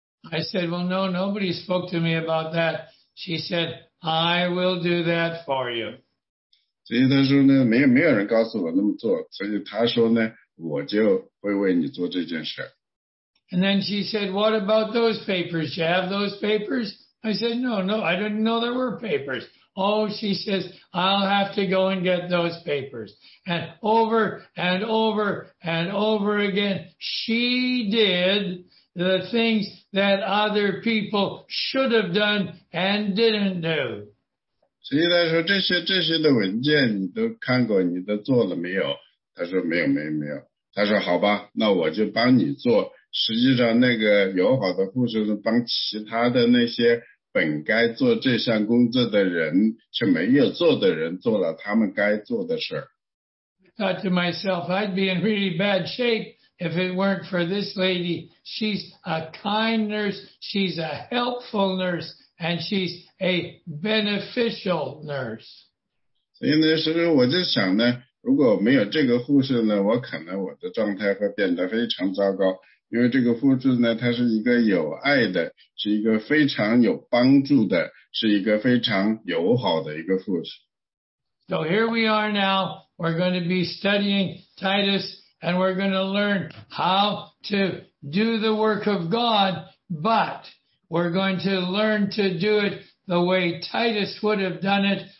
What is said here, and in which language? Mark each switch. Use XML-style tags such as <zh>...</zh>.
<en>I said, well, no, nobody spoke to me about that. She said, I will do that for you.</en> <zh>所以她说呢，没有人告诉我那么做，所以她说呢，我就会为你做这件事。</zh> <en>And then she said, what about those papers? Do you have those papers? I said, no, I didn't know there were papers. Oh, she says, I'll have to go and get those papers. And over and over and over again, she did the things that other people should have done and didn't do.</en> <zh>所以她说，这些文件你都看过，你都做了没有？她说，没有。她说，好吧，那我就帮你做。实际上，那个友好的护士帮其他的那些本该做这项工作的人却没有做的人做了他们该做的事儿。</zh> <en>I thought to myself, I'd be in really bad shape If it weren't for this lady, she's a kind nurse, she's a helpful nurse, and she's a beneficial nurse.</en> <zh>所以那时候我就想呢，如果没有这个护士呢，我可能我的状态会变得非常糟糕，因为这个护士呢，她是一个有爱的，是一个非常有帮助的，是一个非常友好的一个护士。</zh> <en>So here we are now, we're going to be studying Titus, and we're going to learn how to do the work of God, but we're going to learn to do it the way Titus would have done it.</en>